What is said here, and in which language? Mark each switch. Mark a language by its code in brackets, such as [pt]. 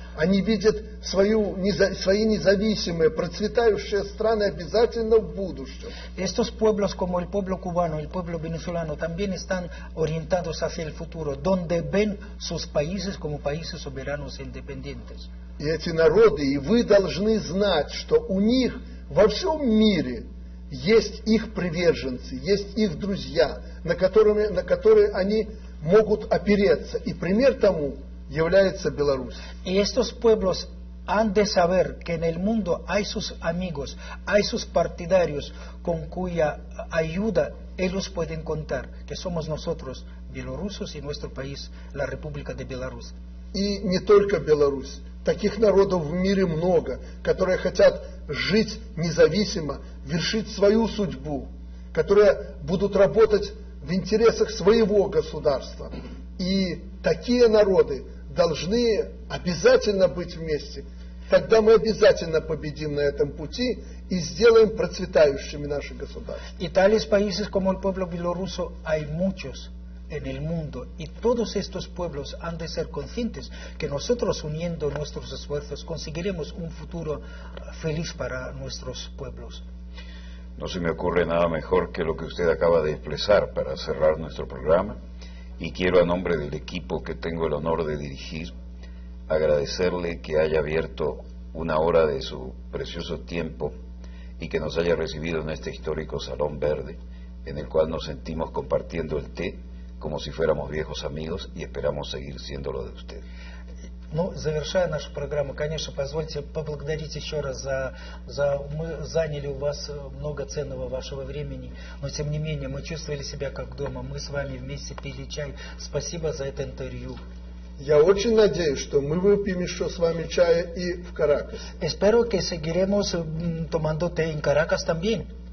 [ru] Они видят свои независимые, процветающие страны обязательно в будущем. [es] Estos pueblos, como el pueblo cubano, el pueblo venezolano, también están orientados hacia el futuro, donde ven sus países como países soberanos e independientes. [ru] И эти народы, и вы должны знать, что у них во всем мире есть их приверженцы, есть их друзья, на которые они могут опереться. И пример тому является Беларусь. [es] Y estos pueblos han de saber que en el mundo hay sus amigos, hay sus partidarios con cuya ayuda ellos pueden contar, que somos nosotros, [ru] белорусов, и [es] nuestro país, la República de Belarus. [ru] И не только Беларусь. Таких народов в мире много, которые хотят жить независимо, вершить свою судьбу, которые будут работать в интересах своего государства. И такие народы должны обязательно быть вместе. Тогда мы обязательно победим на этом пути и сделаем процветающими наши государства. И таких [es] países como el pueblo bielorruso hay muchos en el mundo y todos estos pueblos han de ser conscientes que nosotros uniendo nuestros esfuerzos conseguiremos un futuro feliz para nuestros pueblos. No se me ocurre nada mejor que lo que usted acaba de expresar para cerrar nuestro programa. Y quiero a nombre del equipo que tengo el honor de dirigir agradecerle que haya abierto una hora de su precioso tiempo y que nos haya recibido en este histórico Salón Verde en el cual nos sentimos compartiendo el té como si fuéramos viejos amigos y esperamos seguir siéndolo de usted. [ru] Ну, завершая нашу программу, конечно, позвольте поблагодарить еще раз за мы заняли у вас много ценного вашего времени, но тем не менее мы чувствовали себя как дома. Мы с вами вместе пили чай. Спасибо за это интервью. Я очень надеюсь, что мы выпьем еще с вами чая и в Каракас. [es] Espero que seguiremos tomando té en Caracas también.